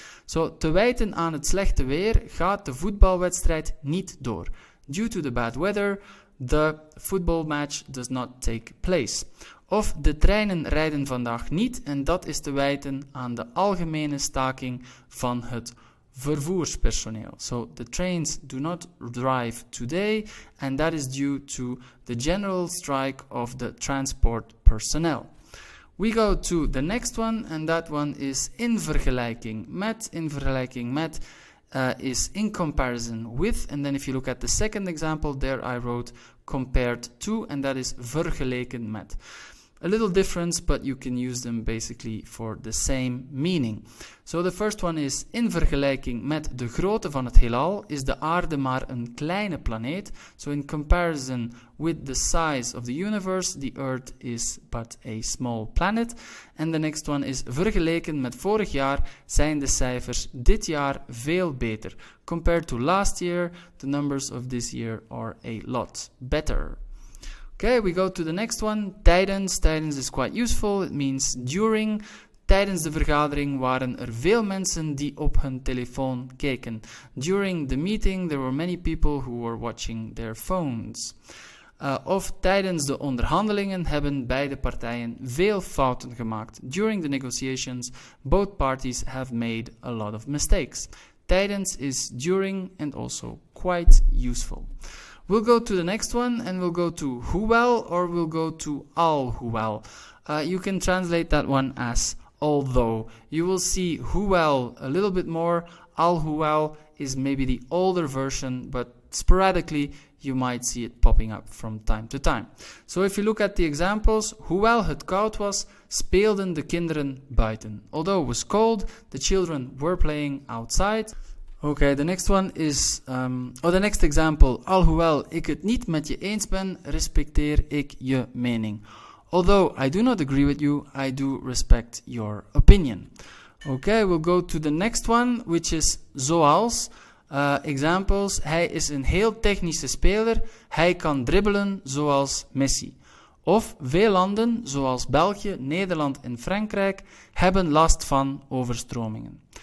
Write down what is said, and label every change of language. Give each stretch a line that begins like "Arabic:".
Dutch: So, te wijten aan het slechte weer gaat de voetbalwedstrijd niet door.
English: Due to the bad weather, the football match does not take place.
Dutch: Of de treinen rijden vandaag niet en dat is te wijten aan de algemene staking van het vervoerspersoneel.
English: So, the trains do not drive today and that is due to the general strike of the transport personnel. We go to the next one and that one is in vergelijking met. In vergelijking met is in comparison with. And then if you look at the second example, there I wrote compared to and that is vergeleken met. A little difference, but you can use them basically for the same meaning. So the first one is,
Dutch: in vergelijking met de grootte van het heelal, is de aarde maar een kleine planeet.
English: So in comparison with the size of the universe, the earth is but a small planet. And the next one is,
Dutch: vergeleken met vorig jaar zijn de cijfers dit jaar veel beter.
English: Compared to last year, the numbers of this year are a lot better. Okay, we go to the next one. Tijdens. Tijdens is quite useful. It means during.
Dutch: Tijdens de vergadering waren er veel mensen die op hun telefoon keken.
English: During the meeting, there were many people who were watching their phones.
Dutch: Of tijdens de onderhandelingen hebben beide partijen veel fouten gemaakt.
English: During the negotiations, both parties have made a lot of mistakes. Tijdens is during and also quite useful. We'll go to the next one and we'll go to hoewel or we'll go to alhoewel. You can translate that one as although. You will see hoewel a little bit more. Alhoewel is maybe the older version, but sporadically you might see it popping up from time to time. So if you look at the examples,
Dutch: hoewel het koud was, speelden de kinderen buiten.
English: Although it was cold, the children were playing outside. Okay, the next one is, the next example.
Dutch: Alhoewel ik het niet met je eens ben, respecteer ik je mening.
English: Although I do not agree with you, I do respect your opinion. Okay, we'll go to the next one, which is zoals.
Dutch: Examples, hij is een heel technische speler, hij kan dribbelen zoals Messi. Of veel landen, zoals België, Nederland en Frankrijk, hebben last van overstromingen.